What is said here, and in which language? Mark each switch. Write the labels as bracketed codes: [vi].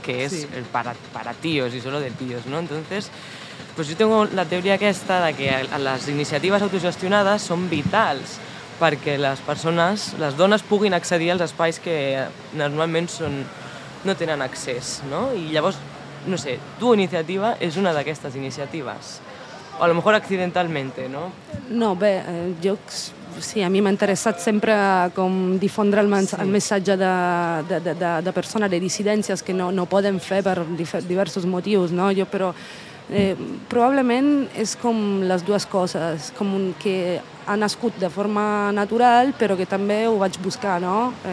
[ca] Que és el para tíos i [es] solo de tíos, [ca] no? [es] Entonces, pues yo tengo la teoría [ca] aquesta de que les iniciatives autogestionades són vitals perquè les persones, les dones puguin accedir als espais que normalment són, no tenen accés, no? I llavors, no sé, tu iniciativa és una d'aquestes iniciatives. [es] O a lo mejor accidentalmente, no? [ca] No, bé, jo... Sí, a mi m'ha interessat sempre com difondre el missatge de persones, de dissidències que no poden fer per diversos motius, no? Jo, però... probablement és com les dues coses, com un que ha nascut de forma natural però que també ho vaig buscar, no?